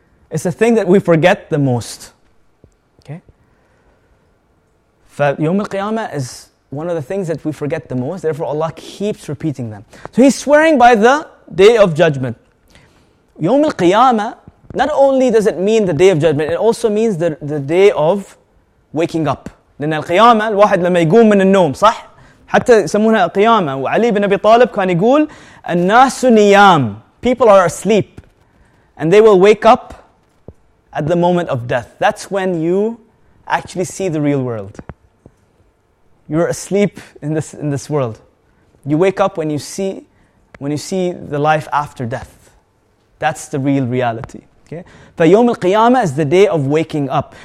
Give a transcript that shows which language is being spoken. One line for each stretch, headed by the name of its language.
English: It's the thing that we forget the most. Okay? فَيَوْمِ الْقِيَامَةِ is one of the things that we forget the most. Therefore, Allah keeps repeating them. So He's swearing by the Day of Judgment. يَوْمِ الْقِيَامَةِ, not only does it mean the Day of Judgment, it also means the day of waking up.
Arabic: لأن القيامة الواحد لما يقوم من النوم صح حتى يسمونها قيامة وعلي بن أبي طالب كان يقول الناس نيام
English: people are asleep and they will wake up at the moment of death. That's when you actually see the real world. You're asleep in this world. You wake up when you see the life after death. That's the real reality. Okay, فيوم القيامة is the day of waking up.